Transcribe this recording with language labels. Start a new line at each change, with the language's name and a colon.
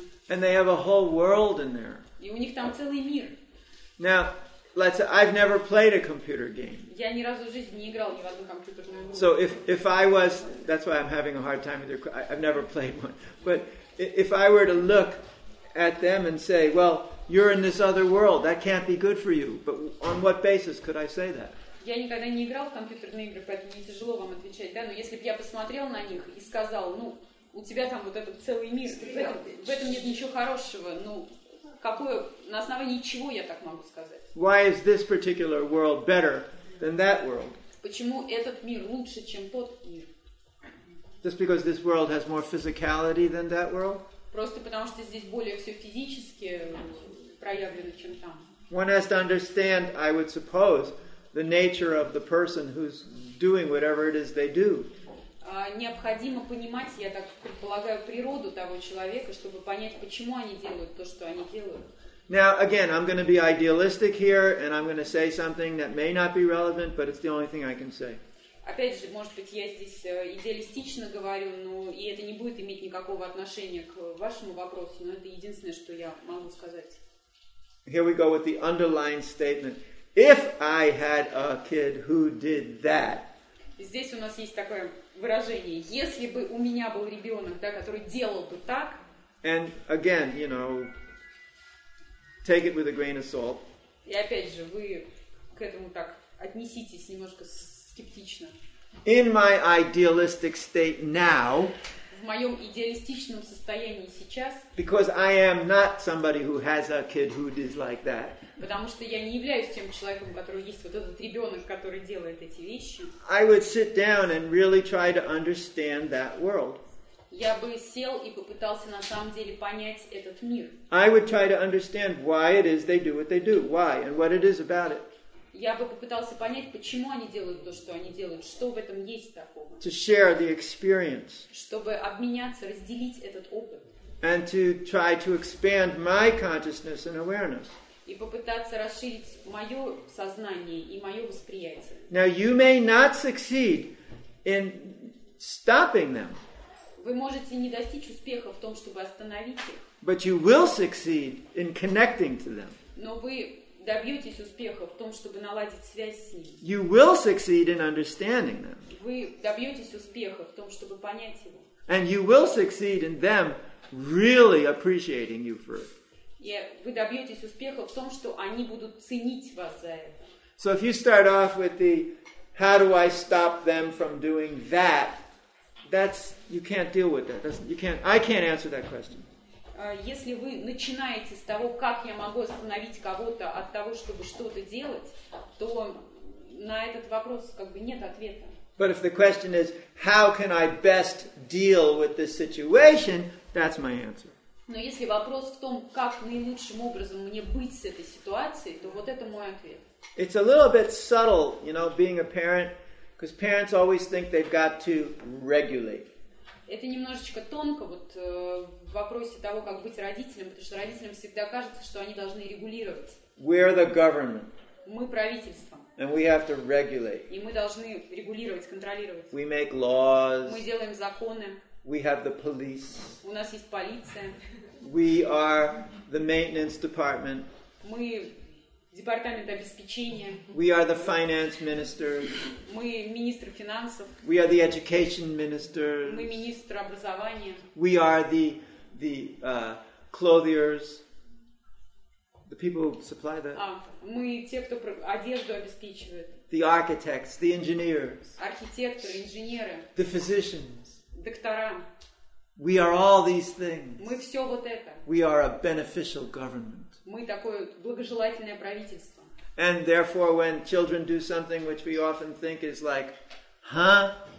English: And they have a whole world in there.
Russian: И у них там целый мир.
English: Now, let's say I've never played a computer game.
Russian: Я ни разу в жизни не играл ни в одну компьютерную игру.
English: So if I was, that's why I'm having a hard time with your. I've never played one. But if I were to look at them and say, well, you're in this other world, that can't be good for you. But on what basis could I say that?
Russian: Я никогда не играл в компьютерные игры, поэтому мне тяжело вам отвечать, да? Но если бы я посмотрел на них и сказал, ну, у тебя там вот этот целый мир, в этом нет ничего хорошего. Ну, какое, на основании чего я так могу сказать?
English: Why is this particular world better than that world?
Russian: Почему этот мир лучше, чем тот мир?
English: Just because this world has more physicality than that world?
Russian: Просто потому что здесь более все физически проявлено, чем там.
English: One has to understand, I would suppose, the nature of the person who's doing whatever it is they do.
Russian: Необходимо понимать, я так предполагаю, природу того человека, чтобы понять, почему они делают то, что они делают.
English: Now, again, I'm going to be idealistic here, and I'm going to say something that may not be relevant, but it's the only thing I can say.
Russian: Опять же, может быть, я здесь идеалистично говорю, но и это не будет иметь никакого отношения к вашему вопросу, но это единственное, что я могу сказать.
English: Here we go with the underlying statement. If I had a kid who did that.
Russian: Здесь у нас есть такое выражение. Если бы у меня был ребенок, да, который делал бы так.
English: And again, you know, take it with a grain of salt.
Russian: И опять же, вы к этому так отнеситесь немножко скептично.
English: In my idealistic state now.
Russian: В моем идеалистичном состоянии сейчас.
English: Because I am not somebody who has a kid who is like that.
Russian: Потому что я не являюсь тем человеком, у которого есть вот этот ребенок, который делает эти вещи.
English: I would sit down and really try to understand that world.
Russian: Я бы сел и попытался на самом деле понять этот мир.
English: I would try to understand why it is they do what they do, why and what it is about it.
Russian: Я бы попытался понять, почему они делают то, что они делают, что в этом есть такого.
English: To share the experience.
Russian: Чтобы обменяться, разделить этот опыт.
English: And to try to expand my consciousness and awareness.
Russian: и попытаться расширить мое сознание и мое восприятие.
English: Now you may not succeed in stopping them.
Russian: Вы можете не достичь успеха в том, чтобы остановить их.
English: But you will succeed in connecting to them.
Russian: Но вы добьетесь успеха в том, чтобы наладить связь с ними.
English: You will succeed in understanding them.
Russian: Вы добьетесь успеха в том, чтобы понять его.
English: And you will succeed in them really appreciating you for it.
Russian: Вы добьетесь успеха в том, что они будут ценить вас за это.
English: So if you start off with the how do I stop them from doing that, that's you can't deal with that. That's, you can't, I can't answer that question.
Russian: Если вы начинаете с того, как я могу остановить кого-то от того, чтобы что-то делать, то на этот вопрос как бы нет ответа.
English: But if the question is, how can I best deal with this situation, that's my answer.
Russian: Но если вопрос в том, как наилучшим образом мне быть с этой ситуацией, то вот это мой ответ.
English: It's a little bit subtle, you know, being a parent, because parents always think they've got to regulate.
Russian: Это немножечко тонко вот в вопросе того, как быть родителем, потому что родителям всегда кажется, что они должны регулировать.
English: We're the government.
Russian: Мы правительство.
English: And we have to regulate.
Russian: И мы должны регулировать, контролировать.
English: We make laws.
Russian: Мы делаем законы.
English: We have the police.
Russian: У нас есть полиция.
English: We are the maintenance department.
Russian: Мы департамент обеспечения.
English: We are the finance minister.
Russian: Мы министр финансов.
English: We are the education minister.
Russian: Мы министр образования.
English: We are the clothiers. The people who supply that.
Russian: Мы те, кто одежду обеспечивает.
English: The architects, the engineers.
Russian: Архитекторы, инженеры.
English: The physicians.
Russian: Доктора.
English: We are all these things.
Russian: Мы все вот это.
English: We are a beneficial government.
Russian: Мы такое благожелательное правительство.
English: And therefore, when children do something which we often think is like, huh?